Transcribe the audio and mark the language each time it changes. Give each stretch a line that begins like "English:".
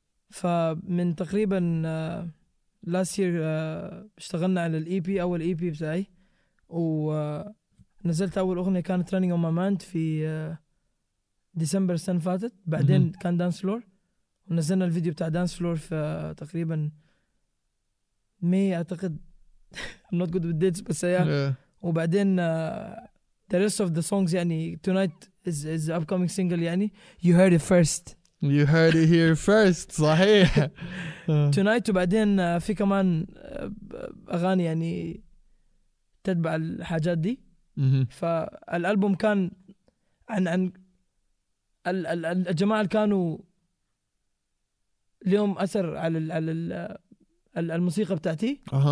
Arabic: فمن تقريبا لاست يير اشتغلنا على الاي بي، اول اي بي بتاعي، ونزلت اول اغنيه كانت رانينج اون ماي مايند في ديسمبر السنه فاتت. بعدين كان دانس فلور، ونزلنا الفيديو بتاع دانس فلور في تقريبا مايو اعتقد.
English: I'm not good with dates
Arabic: بس
English: yeah.
Arabic: وبعدين
English: the rest of the songs،
Arabic: يعني
English: tonight is the upcoming single، يعني you heard it here first
Arabic: صحيح. tonight وبعدين في كمان اغاني يعني تتبع الحاجات دي. فالالبوم كان عن الجماعه اللي كانوا اليوم اثر على على الموسيقى بتاعتي.